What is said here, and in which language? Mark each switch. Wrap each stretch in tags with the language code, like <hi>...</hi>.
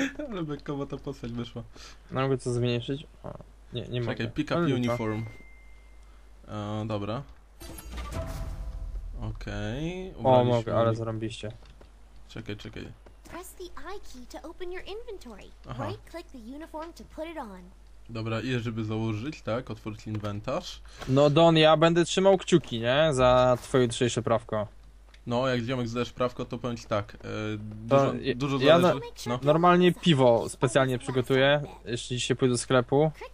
<pl>Ale bekowo ta postać wyszła. No mogę to zmniejszyć? Nie, nie mogę. Czekaj,</pl> <en>pick up uniform.</en> <pl>Dobra. Okej, okay. O, mogę, ale zarąbiście. Czekaj.</pl> <en>Press the I key to open your inventory. Aha. Right click the uniform to put it on.</en> <pl>Dobra, i żeby założyć, tak? Otwórz inwentarz. No Don, ja będę trzymał kciuki, nie? Za twoje jutrzejsze prawko. No, jak ziomek zdajesz prawko, to powiem ci tak. Dużo zależy. Ja no. Normalnie piwo specjalnie przygotuję, jeśli dzisiaj pójdę do sklepu.</pl>